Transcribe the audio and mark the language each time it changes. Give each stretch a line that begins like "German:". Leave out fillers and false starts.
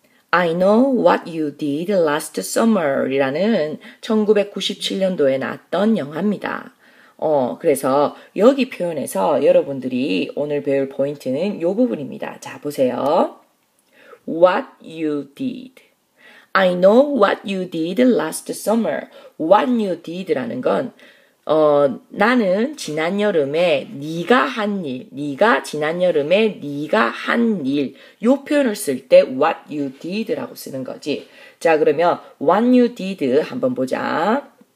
Korean: I Know What You Did Last Summer이라는 1997년도에 나왔던 영화입니다. 그래서 여기 표현에서 여러분들이 오늘 배울 포인트는 요 부분입니다. 자, 보세요.
English: What you did. I know what you did last summer.
Korean: What you did라는 건 나는 지난 여름에 네가 한 일, 네가 지난 여름에 네가 한 일, 요 표현을 쓸 때
English: what you did
Korean: 라고 쓰는 거지. 자, 그러면
English: what you did
Korean: 한번 보자.